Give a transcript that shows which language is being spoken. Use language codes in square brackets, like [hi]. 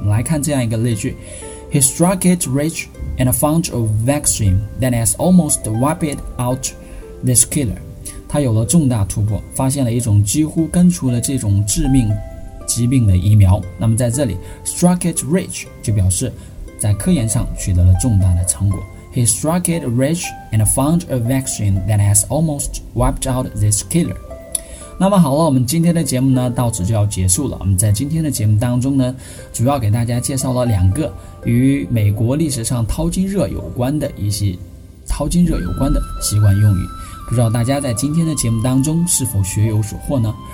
[zh] 来看这样一个例句， [en] He struck it rich and found a vaccine that has almost wiped out this killer. [zh] 他有了重大突破，发现了一种几乎根除了这种致命疾病的疫苗。那么在这里 struck it rich 就表示在科研上取得了重大的成果。 [en] He struck it rich and found a vaccine that has almost wiped out this killer. [zh] 那么好了，我们今天的节目呢到此就要结束了。我们在今天的节目当中呢，主要给大家介绍了两个与美国历史上淘金热有关的习惯用语。不知道大家在今天的节目当中是否学有所获呢？